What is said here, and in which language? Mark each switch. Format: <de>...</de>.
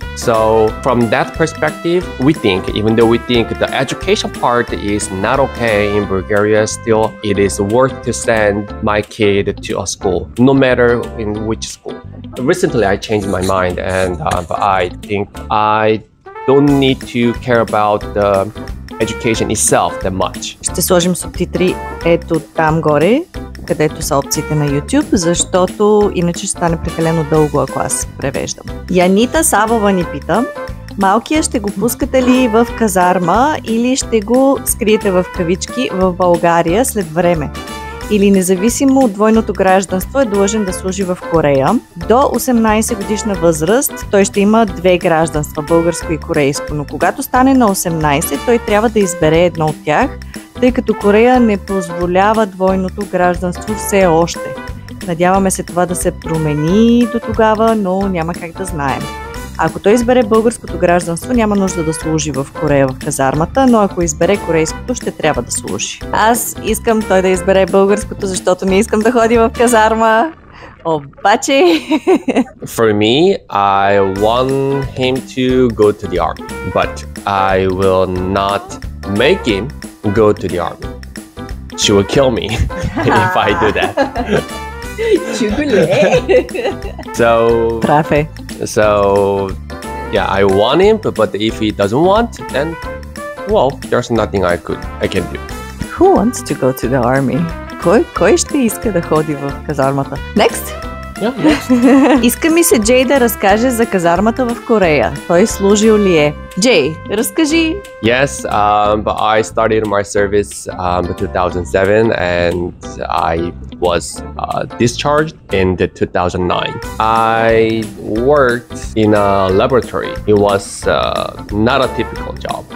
<en>So from that perspective, we think, even though we think the education part is not okay in Bulgaria, still it is worth to send my kid to a school, no matter in which school. Recently, I changed my mind and I think I don't need to care about the education itself that much.</en> <bg>Ще сложим субтитри ето там горе, където са опциите на YouTube, защото иначе ще стане прекалено дълго, ако аз превеждам. Янита Савова ни пита: малкия ще го пускате ли в казарма или ще го скриете в кавички в България след време? Или независимо от двойното гражданство е длъжен да служи в Корея. До 18 годишна възраст той ще има две гражданства, българско и корейско, но когато стане на 18, той трябва да избере едно от тях, тъй като Корея не позволява двойното гражданство все още. Надяваме се това да се промени до тогава, но няма как да знаем. Ако той избере българското гражданство, няма нужда да служи в Корея в казармата, но ако избере корейското, ще трябва да служи. Аз искам той да избере българското, защото не искам да ходи в казарма. Обаче...</bg> <en>For me, I want him to go to the army. But I will not make him go to the army. She will kill me if I do that. Чугуле! So... Трафе! So, yeah, I want him, but if he doesn't want, then, well, there's nothing I can do. Who wants to go to the army?</en> <bg>Кой ще иска да ходи в казармата?</bg> <en>Next!</en> <bg>Иска ми се Джей да разкаже за казармата в Корея. Той служил ли е? Джей, разкажи!</bg> <en>Yes, but I started my service in 2007 and I was discharged in the 2009. I worked in a laboratory. It was not a typical job.</en>